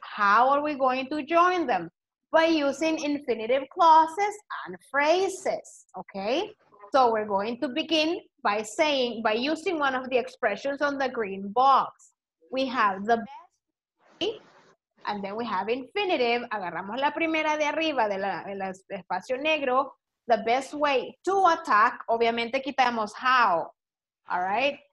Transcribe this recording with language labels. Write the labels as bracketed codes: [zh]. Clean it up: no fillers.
[en] How are we going to join them? By using infinitive clauses and phrases, okay? So we're going to begin by saying, by using one of the expressions on the green box. We have the best way, and then we have infinitive. [es] Agarramos la primera de arriba de la espacio negro. [en] The best way to attack, [es] obviamente quitamos [en] how, all right?